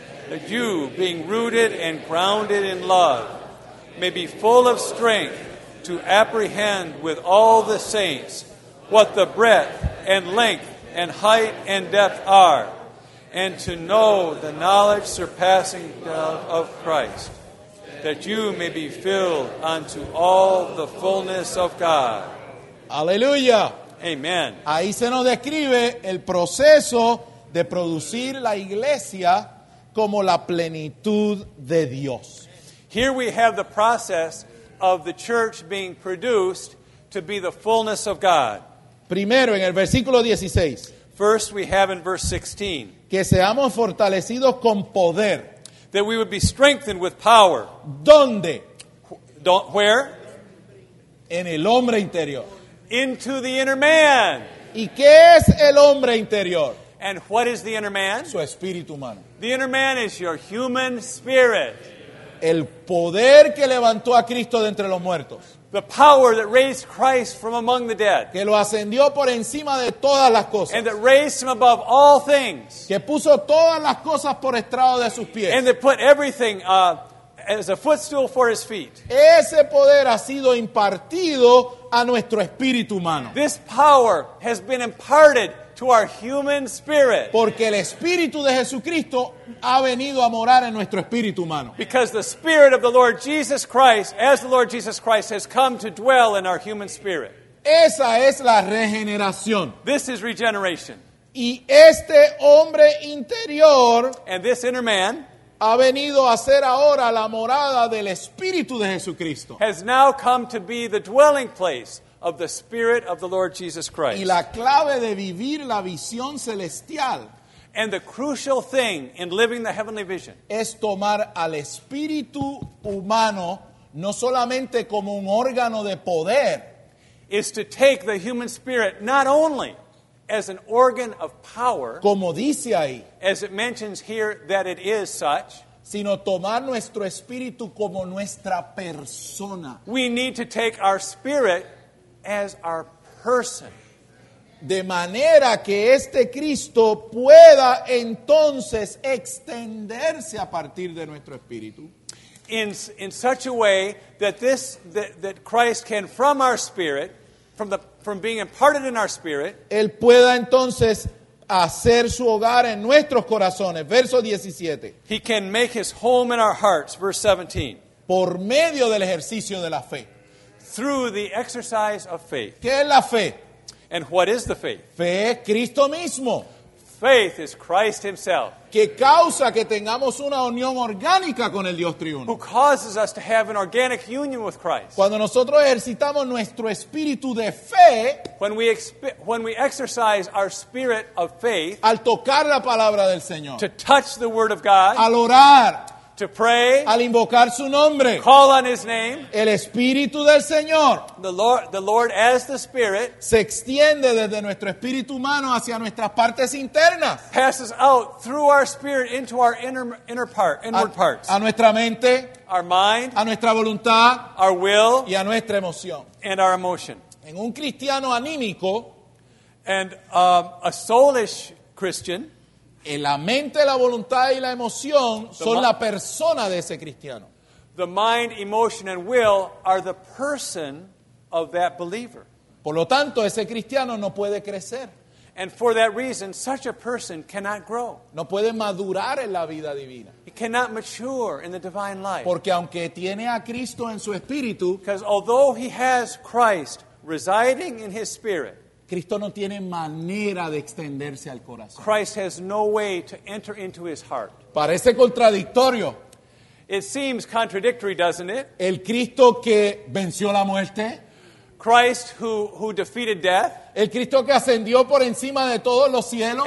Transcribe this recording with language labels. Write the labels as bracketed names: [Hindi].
[English] that you, being rooted and grounded in love, may be full of strength to apprehend with all the saints what the breadth and length and height and depth are, and to know the knowledge surpassing of Christ, that you may be filled unto all the fullness of God. [Spanish] Aleluya. Amen. Ahí se nos describe el proceso de producir la iglesia como la plenitud de Dios. [English] Here we have the process of the church being produced to be the fullness of God. [Spanish] Primero, en el versículo 16. [English] First, we have in verse 16. [Spanish] Que seamos fortalecidos con poder. [English] That we would be strengthened with power. [Spanish] ¿Dónde? [English] Where? [Spanish] En el hombre interior. [English] Into the inner man. [Spanish] ¿Y qué es el hombre interior? [English] And what is the inner man? [Spanish] Su espíritu humano. [English] The inner man is your human spirit. [Spanish] El poder que levantó a Cristo de entre los muertos. [English] The power that raised Christ from among the dead. [Spanish] Que lo ascendió por encima de todas las cosas. [English] And that raised him above all things. [Spanish] Que puso todas las cosas por estrado de sus pies. [English] And that put everything as a footstool for his feet. [Spanish] Ese poder ha sido impartido a nuestro espíritu humano. [English] This power has been imparted to our human spirit. [Spanish] Porque el espíritu de Jesucristo ha venido a morar en nuestro espíritu humano. [English] Because the spirit of the Lord Jesus Christ, as the Lord Jesus Christ, has come to dwell in our human spirit. [Spanish] Esa es la regeneración. [English] This is regeneration. [Spanish] Y este hombre interior, [English] and this inner man, [Spanish] ha venido a ser ahora la morada del espíritu de Jesucristo. [English] Has now come to be the dwelling place of the Spirit of the Lord Jesus Christ. [Spanish] Y la clave de vivir la visión celestial, [English] and the crucial thing in living the heavenly vision, [Spanish] es tomar al espíritu humano no solamente como un órgano de poder, [English] is to take the human spirit not only as an organ of power, [Spanish] como dice ahí, [English] as it mentions here that it is such, [Spanish] sino tomar nuestro espíritu como nuestra persona. [English] We need to take our spirit as our person. [Spanish] De manera que este Cristo pueda entonces extenderse a partir de nuestro espíritu. [English] In such a way that Christ can, from our spirit, from being imparted in our spirit, [Spanish] él pueda entonces hacer su hogar en nuestros corazones. Verso 17. [English] He can make his home in our hearts. Verse 17. [Spanish] Por medio del ejercicio de la fe. [English] Through the exercise of faith. [Spanish] ¿Qué es la fe? [English] And what is the faith? [Spanish] Fe es Cristo mismo. [English] Faith is Christ himself. [Spanish] Que causa que tengamos una unión orgánica con el Dios triuno. [English] Who causes us to have an organic union with Christ. [Spanish] Cuando nosotros ejercitamos nuestro espíritu de fe, [English] when we exercise our spirit of faith, [Spanish] al tocar la palabra del Señor, [English] to touch the word of God, [Spanish] al orar, [English] to pray, [Spanish] al invocar su nombre, [English] call on his name, [Spanish] el espíritu del Señor, [English] the Lord as the Spirit, [Spanish] se extiende desde nuestro espíritu humano hacia nuestras partes internas, [English] passes out through our spirit into our inward parts, [Spanish] a nuestra mente, [English] our mind, [Spanish] a nuestra voluntad, [English] our will, [Spanish] y a nuestra emoción, [English] and our emotion. [Spanish] En un cristiano anímico, [English] and a soulish Christian, [Spanish] la mente, la voluntad y la emoción son la persona de ese cristiano. [English] The mind, emotion, and will are the person of that believer. [Spanish] Por lo tanto, ese cristiano no puede crecer. [English] And for that reason, such a person cannot grow. [Spanish] No puede madurar en la vida divina. [English] He cannot mature in the divine life. [Spanish] Porque aunque tiene a Cristo en su espíritu, [English] because although he has Christ residing in his spirit, [Spanish] Cristo no tiene manera de extenderse al corazón. [English] Christ has no way to enter into his heart. [Spanish] Parece contradictorio. [English] It seems contradictory, doesn't it? [Spanish] El Cristo que venció la muerte. [English] Christ who defeated death. [Spanish] El Cristo que ascendió por encima de todos los cielos.